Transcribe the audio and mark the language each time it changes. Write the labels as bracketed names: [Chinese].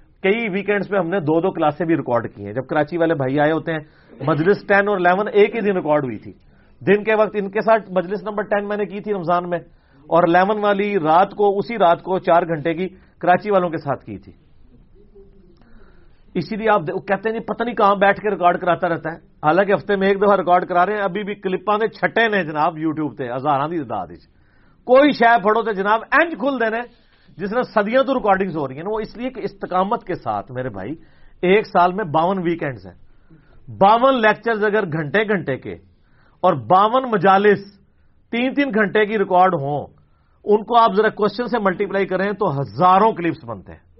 [Urdu] کئی ویکینڈز پہ ہم نے 2-2 کلاسیں بھی ریکارڈ کی ہیں. جب کراچی والے بھائی آئے ہوتے ہیں, مجلس 10 اور 11 ایک ہی دن ریکارڈ ہوئی تھی. دن کے وقت ان کے ساتھ مجلس نمبر 10 میں نے کی تھی رمضان میں, اور 11 والی رات کو, اسی رات کو 4 گھنٹے کی کراچی والوں کے ساتھ کی تھی. اسی لیے آپ کہتے ہیں پتہ نہیں کہاں بیٹھ کے ریکارڈ کراتا رہتا ہے, حالانکہ ہفتے میں ایک دفعہ ریکارڈ کرا رہے ہیں. [Punjabi] ابھی بھی کلپاں دے چھٹے نے جناب یوٹیوب تے, ہزاراں دی تعداد وچ. کوئی شے پھڑو تے جناب اینج کھل دے نے, [Urdu] جس نے صدیوں تو ریکارڈنگز ہو رہی ہیں نا. وہ اس لیے کہ استقامت کے ساتھ میرے بھائی, ایک سال میں 52 ویکینڈز ہیں, 52 لیکچرز اگر گھنٹے گھنٹے کے, اور 52 مجالس تین تین گھنٹے کی ریکارڈ ہوں, ان کو آپ ذرا کوشچن سے ملٹیپلائی کریں تو ہزاروں کلپس بنتے ہیں.